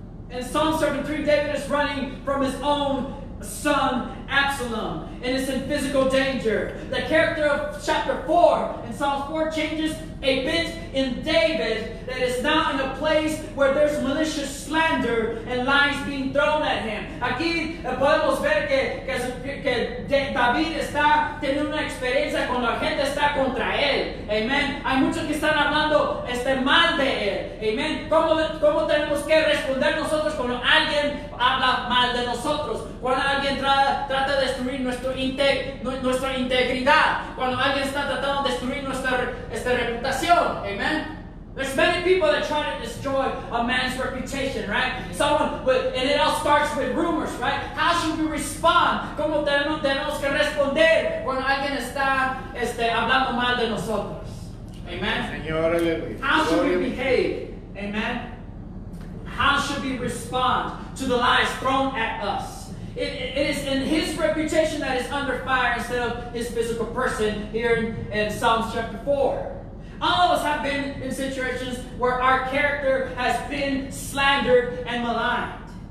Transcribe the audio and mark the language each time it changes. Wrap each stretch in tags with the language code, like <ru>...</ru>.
<en>In Psalm 73, David is running from his own son, Absalom, and is in physical danger. The character of chapter 4 in Psalm 4 changes a bit in David that is now in a place where there's malicious slander and lies being thrown at him.</en> <es>Aquí podemos ver que David está teniendo una experiencia cuando la gente está contra él. Amen. Hay muchos que están hablando mal de él. Amen. ¿Cómo tenemos que responder nosotros cuando alguien habla mal de nosotros? Cuando alguien trata de destruir nuestra integridad. Cuando alguien está tratando de destruir nuestra reputación. Amen.</es> <en>There's many people that try to destroy a man's reputation, right? And it all starts with rumors, right? How should we respond?</en> <es>¿Cómo tenemos que responder cuando alguien está hablando mal de nosotros? Amen. Señor,</es> <en>how should we behave? Amen. How should we respond to the lies thrown at us? It is in his reputation that is under fire instead of his physical person here in Psalms chapter 4. All of us have been in situations where our character has been slandered and maligned.</en>